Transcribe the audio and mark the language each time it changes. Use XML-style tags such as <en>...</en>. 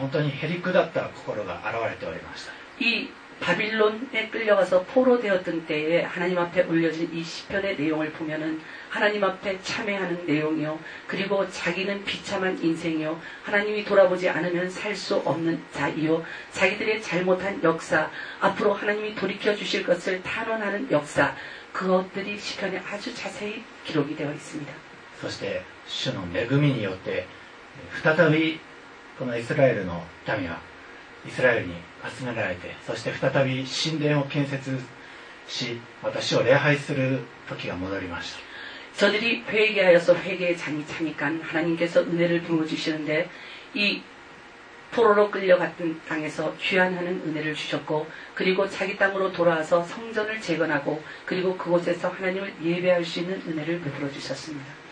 <ja>それら本当に死を死体求める心で溢れ、また本当にへりくだった心が現れておりました。</ja> <ko>이 바빌론에 끌려가서 포로 되었던 때에 하나님 앞에 올려진 이 시편의 내용을 보면은 하나님 앞에 참회하는 내용이요. 그리고 자기는 비참한 인생이요. 하나님이 돌아보지 않으면 살 수 없는 자이요. 자기들의 잘못한 역사, 앞으로 하나님이 돌이켜 주실 것을 탄원하는 역사, 그것들이 시편에 아주 자세히 기록이 되어 있습니다.</ko> <ja>そして主の恵みによって再びこのイスラエルの民はイスラエルに集められて、そして再び神殿を建設し、私を礼拝する時が戻りました。</ja> <ko>저들이 회개하여서 회개의 장이 차니까 하나님께서 은혜를 부어 주시는데 이 포로로 끌려갔던 땅에서 귀환하는 은혜를 주셨고 그리고 자기 땅으로 돌아와서 성전을 재건하고 그리고 그곳에서 하나님을 예배할 수 있는 은혜를 베풀어 주셨습니다.</ko>